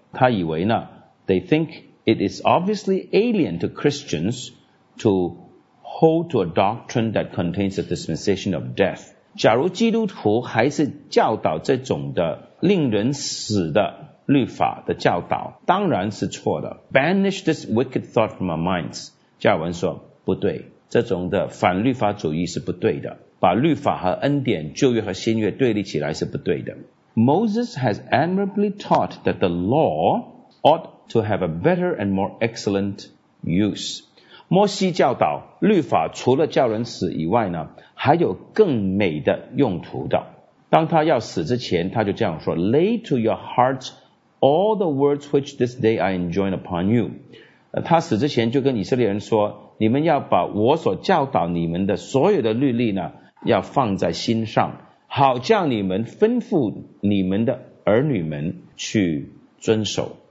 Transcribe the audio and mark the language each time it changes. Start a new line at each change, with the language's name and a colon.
Chinese: 他以为呢
English: ，they think it is obviously alien to Christians to hold to a doctrine that contains the dispensation of death。
Chinese: 假如基督徒还是教导这种的令人死的律法的教导，当然是错的。
English: Banish this wicked thought from our minds，
Chinese: 加尔文说。不对，这种的反律法主义是不对的，把律法和恩典、旧约和新约对立起来是不对的。
English: Moses has admirably taught that the law ought to have a better and more excellent use。
Chinese: 摩西教导律法除了叫人死以外呢，还有更美的用途的。当他要死之前，他就这样说，
English: Lay to your heart all the words which this day I enjoin upon you。
Chinese: 他死之前就跟以色列人说，你们要把我所教导你们的所有的律例呢，要放在心上，好叫你们吩咐你们的儿女们去遵守。